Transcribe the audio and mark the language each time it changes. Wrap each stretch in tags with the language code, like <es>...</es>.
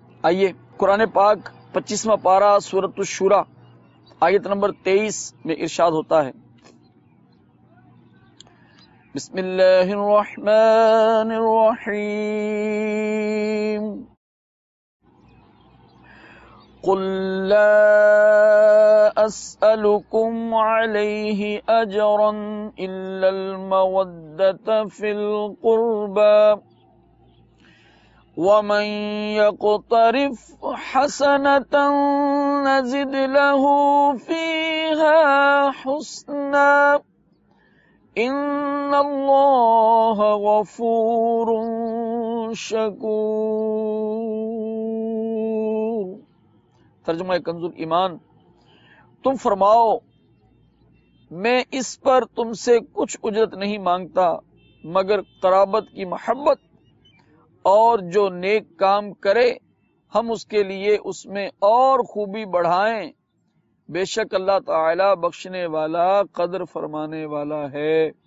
<ur>آئیے قرآن پاک 25 پارہ سورۃ الشورى آیت نمبر 23 میں ارشاد ہوتا ہے,</ur> <ar>بسم اللہ الرحمن الرحیم, قل لا أسألكم عليه أجرا إلا المودة في القربى ومن يقترف حسنة نزد له فيها حسنا إن الله غفور شكور.</ar> <ur>ترجمہ کنز الایمان، تم فرماؤ میں اس پر تم سے کچھ اجرت نہیں مانگتا مگر قرابت کی محبت، اور جو نیک کام کرے ہم اس کے لیے اس میں اور خوبی بڑھائیں، بے شک اللہ تعالی بخشنے والا قدر فرمانے والا ہے.</ur>